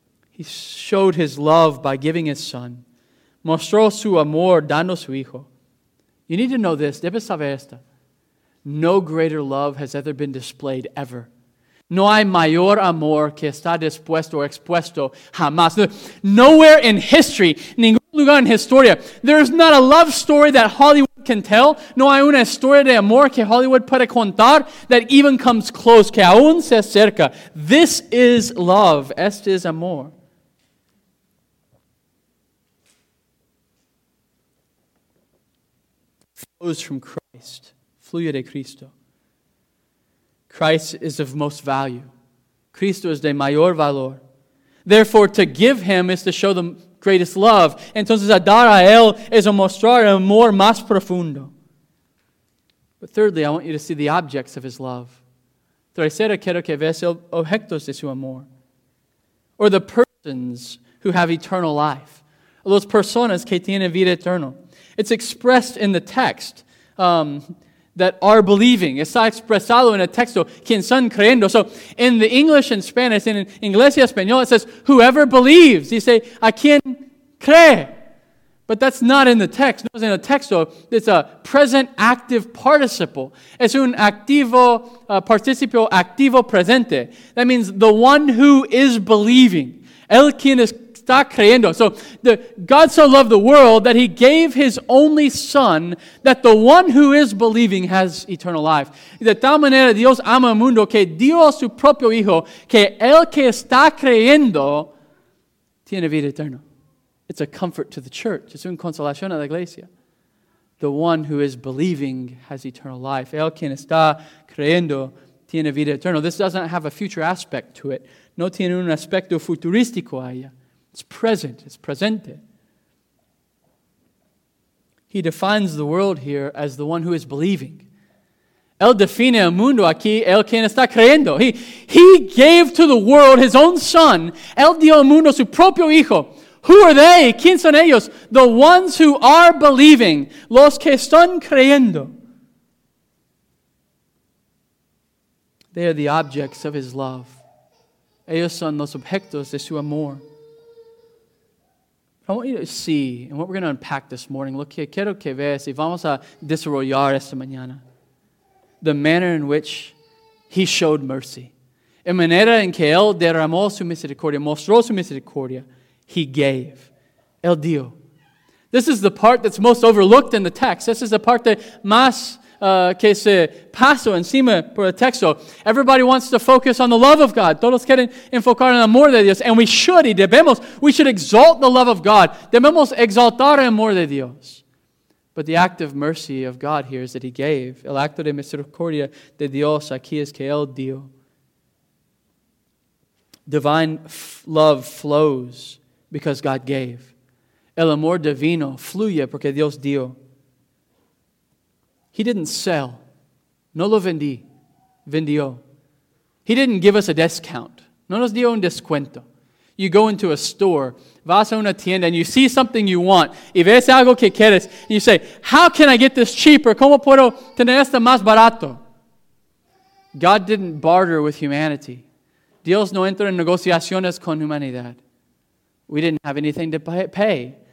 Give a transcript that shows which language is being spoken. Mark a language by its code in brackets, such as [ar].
[en] He showed his love by giving his son. [es] Mostró su amor dando su hijo. [en] You need to know this. [es] Debes saber esto. [en] No greater love has ever been displayed ever. [es] No hay mayor amor que está dispuesto o expuesto jamás. [en] Nowhere in history, [es] ningún lugar en historia, [en] there is not a love story that Hollywood can tell. [es] No hay una historia de amor que Hollywood puede contar [en] that even comes close, [es] que aún se acerca. [en] This is love. [es] Este es amor. [en] Flows from Christ. [es] Fluye de Cristo. [en] Christ is of most value. [es] Cristo es de mayor valor. [en] Therefore, to give him is to show the greatest love. [es] Entonces, a dar a él es a mostrar el amor más profundo. [en] But thirdly, I want you to see the objects of his love. [es] Tercera, quiero que veas el objetos de su amor. [en] Or the persons who have eternal life. [es] Los personas que tienen vida eterna. [en] It's expressed in the text. That are believing. [es] Está expresado en el texto, quien son creyendo. [en] So, in the English and Spanish, in [es] inglés y español, [en] it says, whoever believes. [es] Dice, a quien cree. [en] But that's not in the text. No, it's in the texto. It's a present active participle. [es] Es un activo, participio activo presente. [en] That means the one who is believing. [es] El quien está creyendo. [en] So, God so loved the world that he gave his only son that the one who is believing has eternal life. [es] De tal manera Dios ama el mundo que dio su propio hijo que el que está creyendo tiene vida eterna. [en] It's a comfort to the church. [es] Es una consolación a la iglesia. [en] The one who is believing has eternal life. [es] El quien está creyendo tiene vida eterna. [en] This doesn't have a future aspect to it. [es] No tiene un aspecto futurístico a ella. [en] It's present. [es] It's presente. [en] He defines the world here as the one who is believing. [es] Él define el mundo aquí, el quien está creyendo. [en] He gave to the world his own son. [es] Él dio al mundo su propio hijo. [en] Who are they? [es] ¿Quién son ellos? [en] The ones who are believing. [es] Los que están creyendo. [en] They are the objects of his love. [es] Ellos son los objetos de su amor. [en] I want you to see, and what we're going to unpack this morning, [es] lo que quiero que veas y vamos a desarrollar esta mañana, [en] the manner in which he showed mercy. [es] En manera en que él derramó su misericordia, mostró su misericordia, [en] he gave. [es] El dio. [en] This is the part that's most overlooked in the text. This is the part that [es] más que se pasó encima por el texto. [en] Everybody wants to focus on the love of God. [es] Todos quieren enfocar en el amor de Dios. [en] And we should, [es] y debemos, we should exalt the love of God. Debemos exaltar el amor de Dios. [en] But the act of mercy of God here is that he gave. [es] El acto de misericordia de Dios aquí es que él dio. [en] Divine love flows because God gave. [es] El amor divino fluye porque Dios dio. [en] He didn't sell. [es] No lo vendí. Vendió. [en] He didn't give us a discount. [es] No nos dio un descuento. [en] You go into a store, [es] vas a una tienda, [en] and you see something you want, [es] y ves algo que quieres, [en] and you say, how can I get this cheaper? [es] ¿Cómo puedo tener esto más barato? [en] God didn't barter with humanity. [es] Dios no entra en negociaciones con humanidad. [en] We didn't have anything to pay.